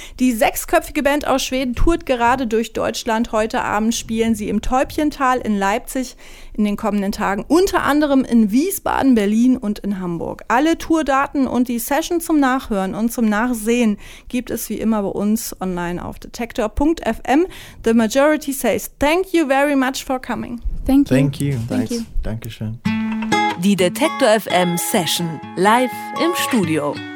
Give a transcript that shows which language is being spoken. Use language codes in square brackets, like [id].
[de] Die sechsköpfige Band aus Schweden tourt gerade durch Deutschland. Heute Abend spielen sie im Täubchental in Leipzig in den kommenden Tagen. Unter anderem in Wiesbaden, Berlin und in Hamburg. Alle Tourdaten und die Session zum Nachhören und zum Nachsehen gibt es wie immer bei uns online auf detektor.fm. [en] The Majority Says, thank you very much for coming. Thank you. Thank you. Thank you. Dankeschön. [de] Die Detektor FM Session live im Studio.